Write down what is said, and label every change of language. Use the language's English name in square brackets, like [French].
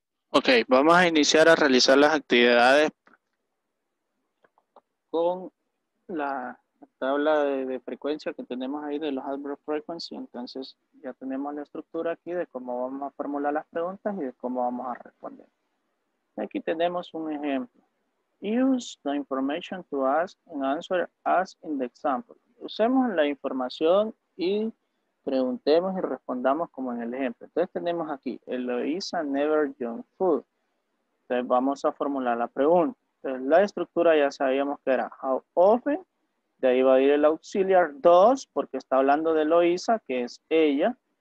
[Spanish] Ok, vamos a iniciar a realizar las actividades con la tabla de frecuencia que tenemos ahí de los adverb frequency. Entonces ya tenemos la estructura aquí de cómo vamos a formular las preguntas y de cómo vamos a responder. Aquí tenemos un ejemplo. [English] Use the information to ask and answer as in the example. [Spanish] Usemos la información y preguntemos y respondamos como en el ejemplo. Entonces tenemos aquí, Eloisa [English] never junk food. [Spanish] Entonces vamos a formular la pregunta. Entonces la estructura ya sabíamos que era [English] how often. [Spanish] De ahí va a ir el auxiliar does, porque está hablando de Eloisa, que es ella.